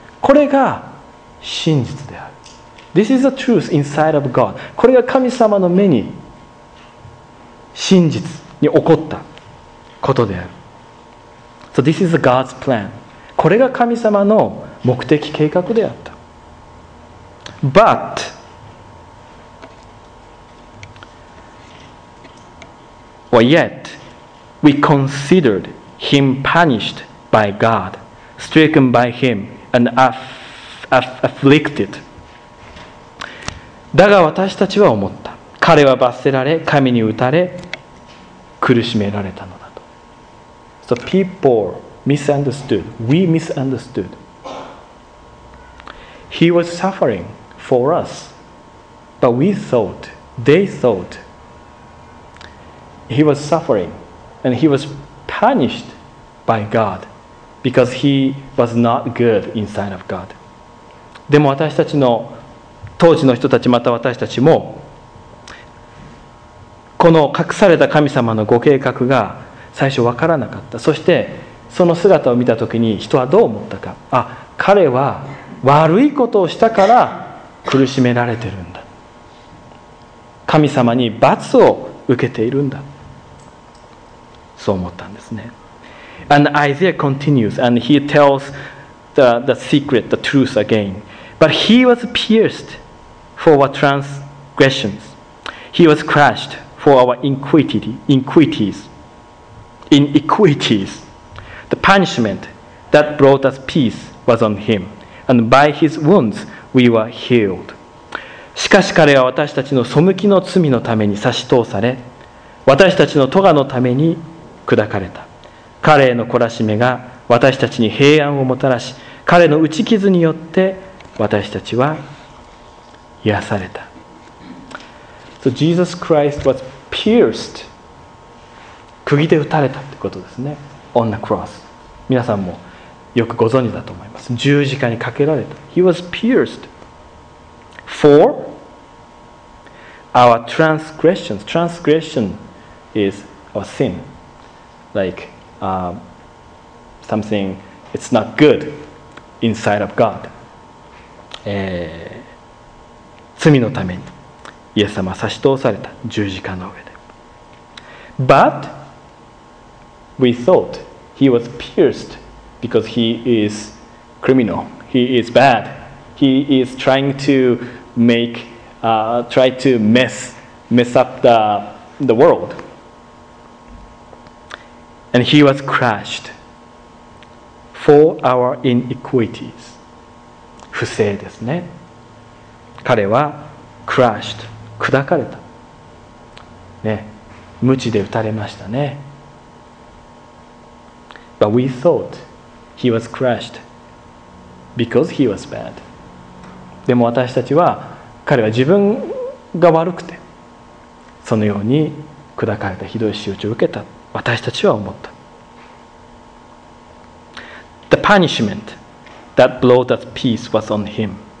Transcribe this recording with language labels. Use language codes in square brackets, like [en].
[ja] これが真実である。 [en] This is the truth inside of God. [ja] これが神様の目に真実に起こったことである。 [en] So this is God's plan. [ja] これが神様の目的計画であった。 [en] But or yet we considered him punished by God, stricken by him, and afflicted. [ja] だが私たちは思った。彼は罰せられ、神に打たれ、苦しめられたのだと。 [en] So people misunderstood. We misunderstood. He was suffering for us. But we thought, they thought, he was suffering and he was punished by God because he was not good inside of God. [ja] でも私たちの当時の人たちまた私たちもこの隠された神様のご計画が最初わからなかった。そしてその姿を見た時に人はどう思ったか。あ、彼は悪いことをしたから苦しめられてるんだ。神様に罰を受けているんだ。そう思ったんですね。 [en] And Isaiah continues and he tells the secret, the truth againBut he was pierced for our transgressions. He was crushed for our iniquities. The punishment that brought us peace was on him, and by his wounds we were healed. [ja] しかし彼は私たちの背きの罪のために差し通され、私たちの咎のために砕かれた。彼への懲らしめが私たちに平安をもたらし、彼の打ち傷によって私たちは癒された。 [en] So Jesus Christ was pierced. [ja] 釘で打たれたってことですね。 [en] On the cross. [ja] 皆さんもよくご存知だと思います。十字架にかけられた。 [en] He was pierced for our transgressions. Transgression is our sin. Like something it's not good inside of God. [ja] 罪のためにイエス様は差し通された十字架の上で。 [en] But we thought he was pierced because he is criminal. He is bad. He is trying to make, try to mess up the world. And he was crushed for our iniquities. [ja] 不正ですね。彼は crushed、砕かれた。ね、鞭で打たれましたね。 [en] But we thought he was crushed because he was bad. [ja] でも私たちは彼は自分が悪くてそのように砕かれた、ひどい仕打ちを受けた。私たちは思った。 [en] The punishment that brought us peace was on him.